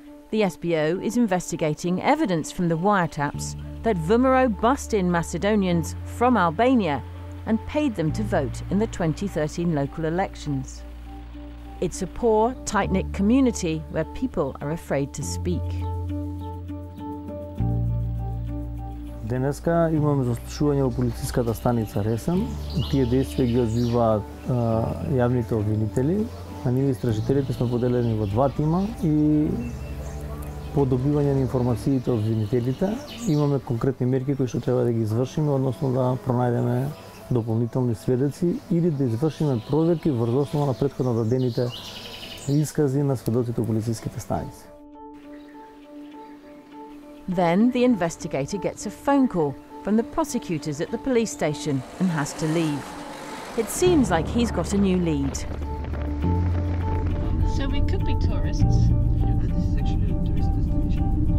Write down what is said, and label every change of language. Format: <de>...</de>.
<en>The SBO is investigating evidence from the wiretaps that VMRO bussed in Macedonians from Albania and paid them to vote in the 2013 local elections. It's a poor, tight-knit community where people are afraid to speak.</en> <mk>Денеска имаме заслушување во полициската станица Ресен. Тие действија ги одвиваат јавните обвинители. А ние истражителите сме поделени во два тима и по добивање на информациите од обвинителите имаме конкретни мерки кои што треба да ги извршиме, односно да пронајдеме дополнителни сведоци или да извршиме проверки врз основа на претходно дадените искази на сведоците од полициските станици.</mk> <en>Then the investigator gets a phone call from the prosecutors at the police station and has to leave. It seems like he's got a new lead. So we could be tourists. This is actually a tourist destination.</en>